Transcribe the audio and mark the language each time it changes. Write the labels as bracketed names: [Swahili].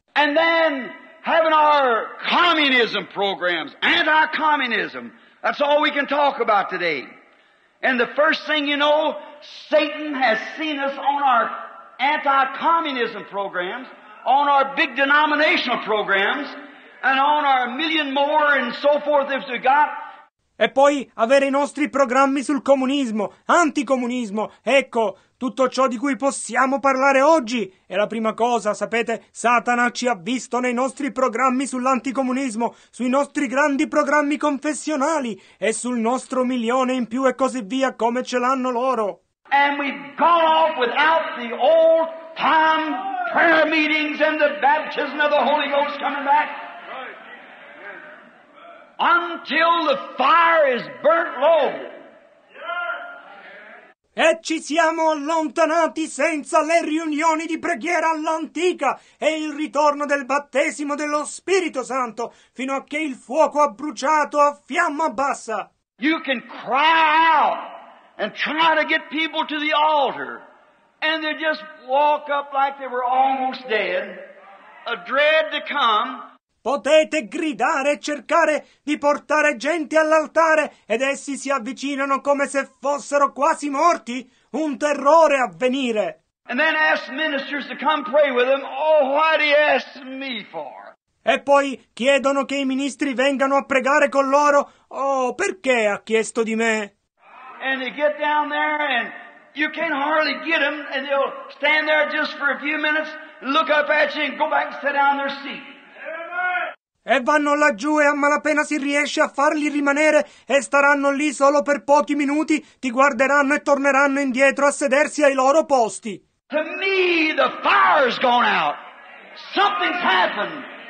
[English] And then having our communism programs, anti-communism, that's all we can talk about today. And the first thing you know, Satan has seen us on our anti-communism programs, on our big denominational programs, and on our million more and so forth as we got. [Italian] E poi avere i nostri programmi sul comunismo, anticomunismo, ecco, tutto ciò di cui possiamo parlare oggi. E la prima cosa, sapete, Satana ci ha visto nei nostri programmi sull'anticomunismo, sui nostri grandi programmi confessionali, e sul nostro milione in più e così via come ce l'hanno loro. [English] And we've gone off without the old time prayer meetings and the baptism of the Holy Ghost coming back. Until the fire is burnt low. [Italian] E ci siamo allontanati senza le riunioni di preghiera all'antica e il ritorno del battesimo dello Spirito Santo fino a che il fuoco ha bruciato a fiamma bassa. [English] You can cry out and try to get people to the altar, and they just walk up like they were almost dead, a dread to come. [Italian] Potete gridare e cercare di portare gente all'altare ed essi si avvicinano come se fossero quasi morti, un terrore a venire. [English] And then ask ministers to come pray with them. Oh, why do you ask me for? [Italian] E poi chiedono che i ministri vengano a pregare con loro. Oh, perché ha chiesto di me? [English] And they get down there and you can hardly get them, and they'll stand there just for a few minutes, look up at you, and go back and sit down in their seat. [Italian] E vanno laggiù e a malapena si riesce a farli rimanere e staranno lì solo per pochi minuti, ti guarderanno e torneranno indietro a sedersi ai loro posti. [English] To me, the fire's gone out. Something's happened.